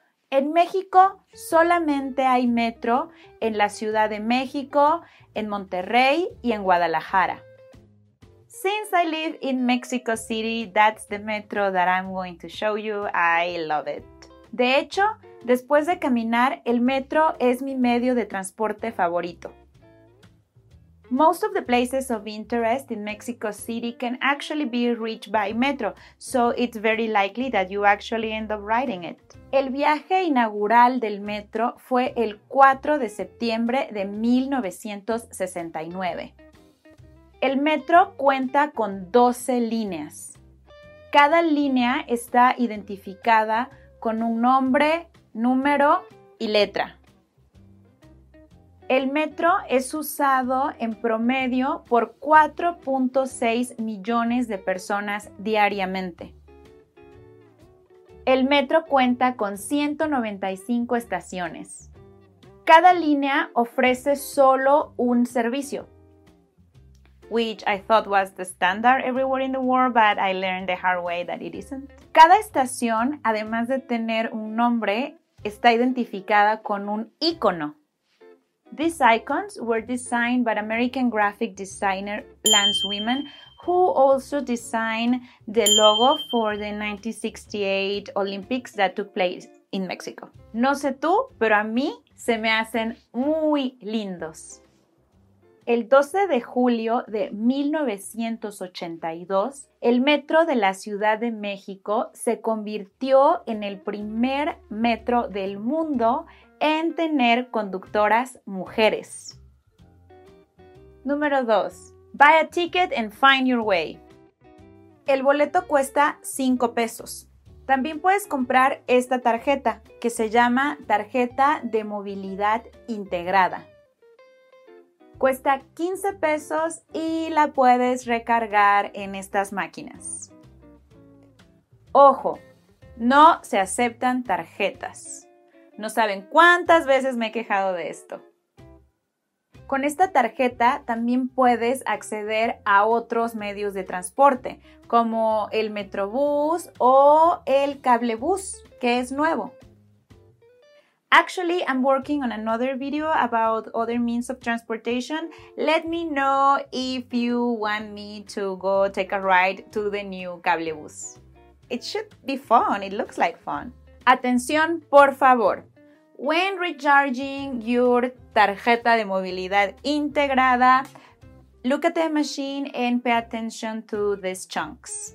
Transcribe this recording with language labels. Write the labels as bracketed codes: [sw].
[es] En México solamente hay metro en la Ciudad de México, en Monterrey y en Guadalajara. [en] Since I live in Mexico City, that's the metro that I'm going to show you. I love it. [es] De hecho, después de caminar, el metro es mi medio de transporte favorito. [en] Most of the places of interest in Mexico City can actually be reached by metro, so it's very likely that you actually end up riding it. [es] El viaje inaugural del metro fue el 4 de septiembre de 1969. El metro cuenta con 12 líneas. Cada línea está identificada con un nombre, número y letra. El metro es usado en promedio por 4.6 millones de personas diariamente. El metro cuenta con 195 estaciones. Cada línea ofrece solo un servicio, [en] which I thought was the standard everywhere in the world, but I learned the hard way that it isn't. [es] Cada estación, además de tener un nombre, está identificada con un icono. [en] These icons were designed by American graphic designer Lance Wyman, who also designed the logo for the 1968 Olympics that took place in Mexico. [es] No sé tú, pero a mí se me hacen muy lindos. El 12 de julio de 1982, el metro de la Ciudad de México se convirtió en el primer metro del mundo en tener conductoras mujeres. Número 2. [en] Buy a ticket and find your way. [es] El boleto cuesta 5 pesos. También puedes comprar esta tarjeta, que se llama Tarjeta de Movilidad Integrada. Cuesta 15 pesos y la puedes recargar en estas máquinas. Ojo, no se aceptan tarjetas. No saben cuántas veces me he quejado de esto. Con esta tarjeta también puedes acceder a otros medios de transporte, como el Metrobús o el Cablebús, que es nuevo. [en] Actually, I'm working on another video about other means of transportation. Let me know if you want me to go take a ride to the new Cablebús. It should be fun. It looks like fun. [es] Atención, por favor. [en] When recharging your tarjeta de movilidad integrada, look at the machine and pay attention to these chunks.